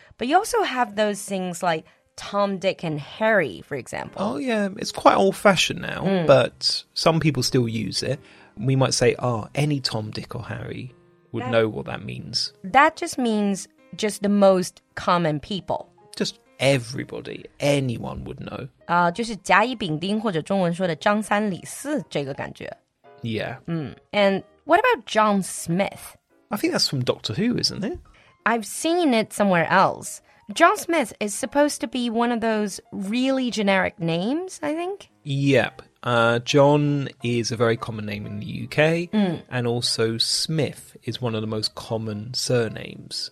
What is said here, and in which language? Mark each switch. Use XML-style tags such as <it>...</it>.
<en>But you also have those things like Tom, Dick, and Harry, for example. Oh, yeah. It's quite old-fashioned now, but some people still use it. We might say, oh, any Tom, Dick, or Harry would know what that means. That just means just the most common people. Just everybody, anyone would know.</en> <zh>就是甲乙丙丁或者中文说的张三李四这个感觉。</zh> <en>Yeah. Mm. And what about John Smith? I think that's from Doctor Who, isn't it? I've seen it somewhere else. John Smith is supposed to be one of those really generic names, I think. Yep. John is a very common name in the UK. Mm. And also Smith is one of the most common surnames.</en>